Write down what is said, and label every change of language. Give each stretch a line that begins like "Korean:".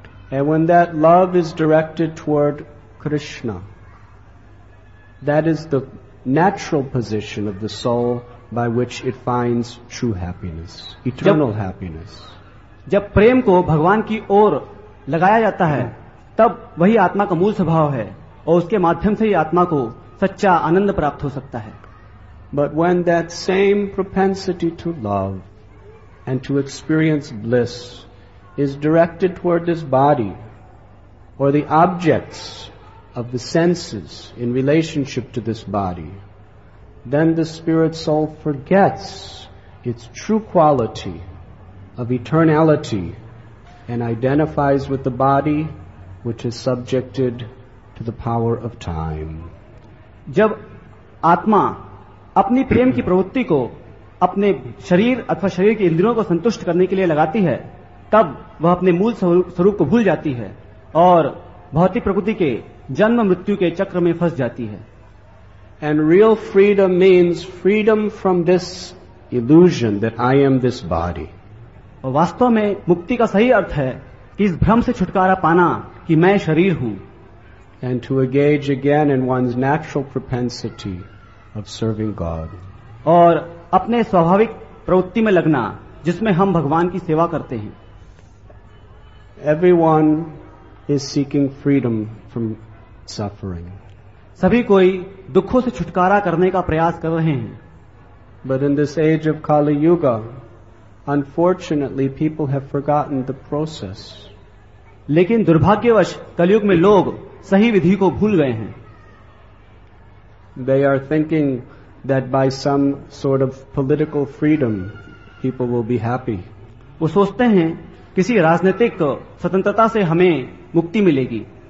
English: And when that love is directed toward Krishna, that is the natural position of the soul by which it finds true happiness, eternal happiness.
Hindi: जब प्रेम को भगवान की ओर लगाया जाता है तब वही आत्मा का मूल स्वभाव है और उसके माध्यम से ही आत्मा को सच्चा आनंद प्राप्त हो सकता है.
English: But when that same propensity to love and to experience bliss is directed toward this body or the objects of the senses in relationship to this body, then the spirit soul forgets its true quality of eternality and identifies with the body which is subjected to the power of time.
Hindi: जब आत्मा अपनी प्रेम की प्रवृत्ति को अपने शरीर अथवा शरीर की इंद्रियों को संतुष्ट करने के लिए लगाती है तब वह अपने मूल स्वरूप को भूल जाती है और भौतिक प्रकृति के जन्म मृत्यु के चक्र में फंस जाती है.
English: And real freedom means freedom from this illusion that I am this body.
Hindi: और वास्तव में मुक्ति का सही अर्थ है कि इस भ्रम से छुटकारा पाना कि मैं शरीर हूं.
English: And to engage again in one's natural propensity of serving God.
Hindi: और अपने स्वाभाविक प्रवृत्ति में लगना जिसमें हम भगवान की सेवा करते हैं.
English: Everyone is seeking freedom from suffering.
Hindi: सभी कोई दुखों से छुटकारा करने का प्रयास कर रहे हैं.
English: But in this age of Kali Yuga, unfortunately, people have forgotten the process.
Hindi: लेकिन दुर्भाग्यवश कलयुग में लोग सही विधि को भूल गए हैं.
English: They are thinking that by some sort of political freedom, people will be happy.
Hindi: वो सोचते हैं किसी राजनीतिक स्वतंत्रता से हमें मुक्ति मिलेगी.